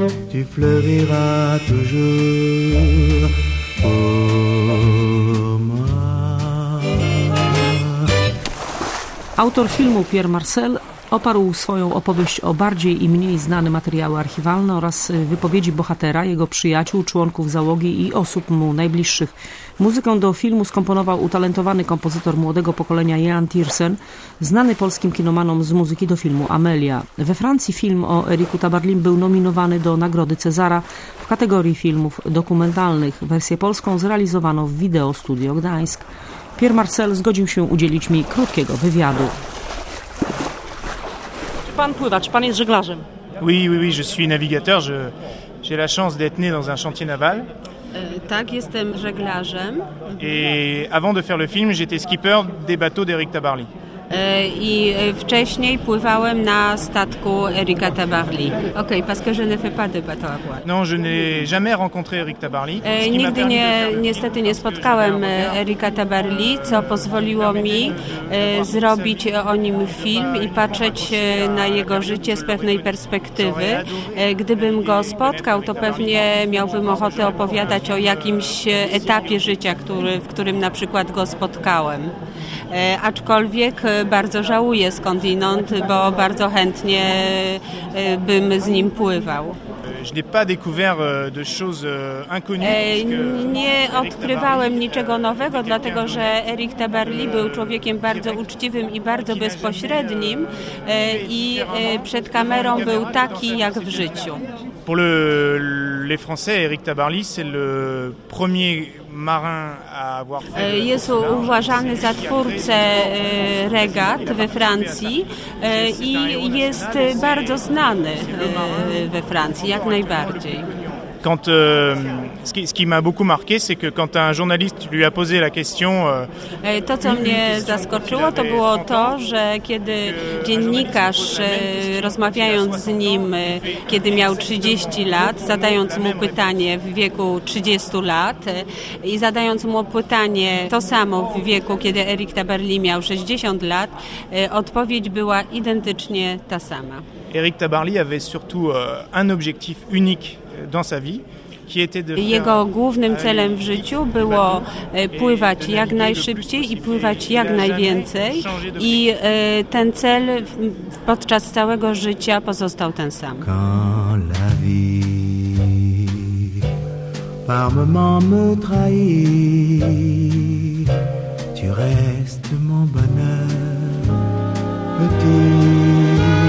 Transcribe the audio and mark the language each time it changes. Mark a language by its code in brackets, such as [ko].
[fr] Tu fleuriras toujours pour moi. [pl] Autor filmu Pierre Marcel oparł swoją opowieść o bardziej i mniej znane materiały archiwalne oraz wypowiedzi bohatera, jego przyjaciół, członków załogi i osób mu najbliższych. Muzykę do filmu skomponował utalentowany kompozytor młodego pokolenia Jan Tiersen, znany polskim kinomanom z muzyki do filmu Amelia. We Francji film o Ericu Tabarlim był nominowany do Nagrody Cezara w kategorii filmów dokumentalnych. Wersję polską zrealizowano w Video Studio Gdańsk. Pierre Marcel zgodził się udzielić mi krótkiego wywiadu. Pan pływa, czy pan jest żeglarzem? [fr] Oui, je suis navigateur. J'ai la chance d'être né dans un chantier naval. [pl] Tak, jestem żeglarzem. [fr] Et avant de faire le film, j'étais skipper des bateaux d'Eric Tabarly. [pl] I wcześniej pływałem na statku Erika Tabarly. [fr] Okay, parce que je ne fais pas de bateau à voile. Non, je n'ai jamais rencontré Eric Tabarly. [pl] Nigdy nie, niestety nie spotkałem Erika Tabarly, co pozwoliło mi zrobić o nim film i patrzeć na jego życie z pewnej perspektywy. Gdybym go spotkał, to pewnie miałbym ochotę opowiadać o jakimś etapie życia, w którym na przykład go spotkałem. Aczkolwiek bardzo żałuję skądinąd, bo bardzo chętnie bym z nim pływał. Nie odkrywałem niczego nowego, dlatego że Eric Tabarly był człowiekiem bardzo uczciwym i bardzo bezpośrednim i przed kamerą był taki jak w życiu. [fr] Pour les Français, Eric Tabarly, c'est le premier marin à avoir fait. [pl] Jest uważany za twórcę regat we Francji i jest bardzo znany we Francji, jak najbardziej. [fr] Quand ce qui m'a beaucoup marqué, c'est que quand un journaliste lui a posé la question. [pl] To, co mnie zaskoczyło, to było to, że kiedy dziennikarz, rozmawiając z nim, kiedy miał 30 lat, zadając mu pytanie w wieku 30 lat i zadając mu pytanie to samo w wieku, kiedy Eric Tabarly miał 60 lat, odpowiedź była identycznie ta sama. [fr] Eric Tabarly avait surtout un objectif unique dans sa vie. [pl] Jego głównym celem w życiu było pływać jak najszybciej i pływać jak najwięcej i ten cel podczas całego życia pozostał ten sam. [fr] Quand la vie par moment me trahit, tu restes mon bonheur petit